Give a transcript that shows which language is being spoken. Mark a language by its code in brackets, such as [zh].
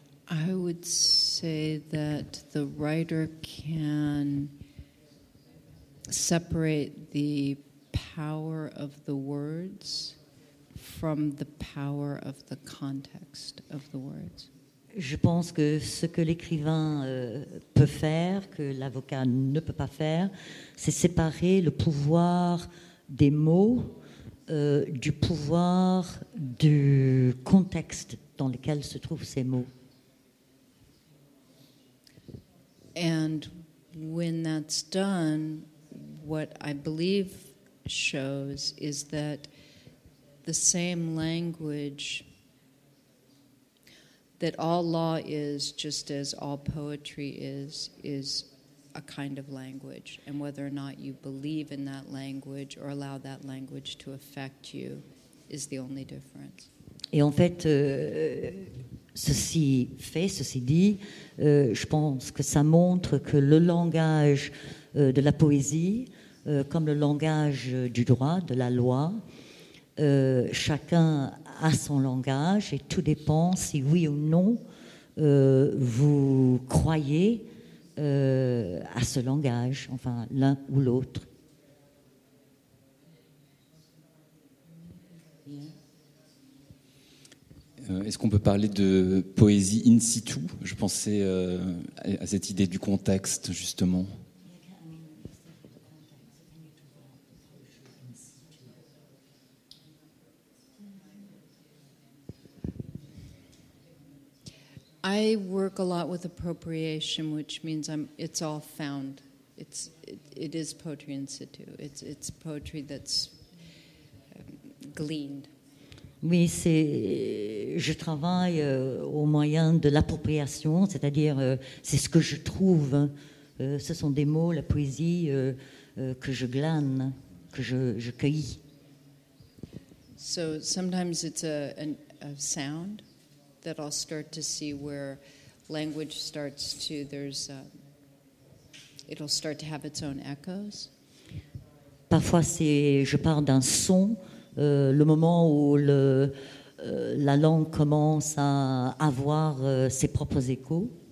[en] I would say that the writer can separate the power of the words from the power of the context of the words. [fr] Je pense que ce que l'écrivain peut faire, que l'avocat ne peut pas faire, c'est séparer le pouvoir des mots du pouvoir du contexte dans lequel se trouvent ces mots. [en] And when that's done, what I believe shows is that the same language that all law is, just as all poetry is a kind of language. And whether or not you believe in that language or allow that language to affect you is the only difference. [fr] Et en fait, ceci fait, ceci dit, je pense que ça montre que le langage de la poésie, comme le langage du droit, de la loi, chacun a son langage et tout dépend si oui ou non vous croyez à ce langage, enfin l'un ou l'autre. Est-ce qu'on peut parler de poésie in situ? Je pensais à cette idée du contexte, justement. [en] I work a lot with appropriation, which means it's all found. It is poetry in situ. It's poetry that's gleaned. [fr] Oui, c'est, je travaille au moyen de l'appropriation, c'est-à-dire c'est ce que je trouve. Hein. Ce sont des mots, la poésie que je glane, que je cueillis. [en] So sometimes it's a sound that I'll start to see where language starts to, there's a, it'll start to have its own echoes. [fr] Parfois c'est, je pars d'un son, le moment où le, la langue commence à avoir ses propres échos.